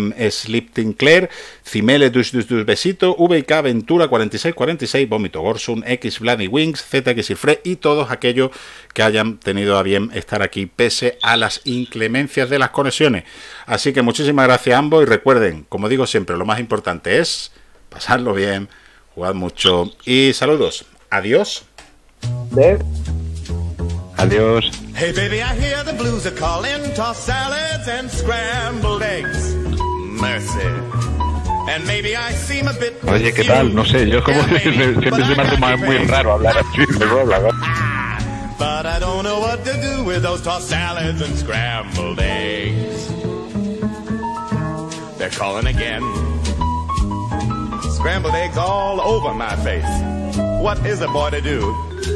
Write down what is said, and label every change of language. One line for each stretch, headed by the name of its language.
Spanish: Sleep Tinkler, Cimele, Dus Dus Dus Besito, VK, Ventura, 4646, Vómito Gorsun, X, Vladi Wings, ZX y Fre, y todos aquellos que hayan tenido a bien estar aquí, pese a las inclemencias de las conexiones. Así que muchísimas gracias a ambos, y recuerden, como digo siempre, lo más importante es pasadlo bien, jugad mucho y saludos. Adiós. Adiós.
English: Hey baby, I hear the blues are calling, tossed salads and scrambled eggs. Mercy. And maybe I seem a bit.
Spanish: Oye, ¿qué tal? No sé, yo como siempre se me hace más muy raro hablar así, pero hablar.
English: But I don't know what to do with those tossed salads and scrambled eggs. They're calling again. Scrambled eggs all over my face. What is a boy to do?